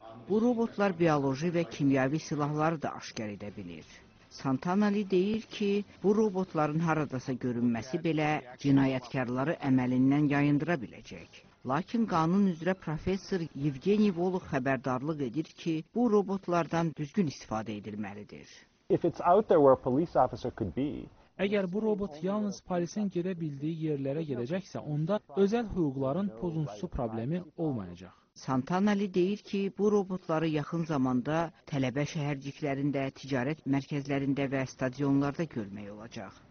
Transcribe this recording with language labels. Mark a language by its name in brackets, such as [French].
[Azerbaijani] Bu robotlar bioloji və kimyavi silahları da aşkar edə bilir. Santana Lee deyir ki, bu robotların haradasa görünməsi belə cinayətkarları əməlindən yayındıra biləcək. Lakin qanun üzrə professor Yevgeni Volov xəbərdarlıq edir ki, bu robotlardan düzgün istifadə edilməlidir. [English] If it's out there where a police officer could be, [Azerbaijani] əgər bu robot yalnız polisin gedə bildiyi yerlərə gedəcəksə, onda özəl hüquqların pozuntusu problemi olmayacaq. Santana Lee deyir ki, bu robotları yaxın zamanda tələbə şəhərciklərində, ticarət mərkəzlərində və stadionlarda görmək olacaq.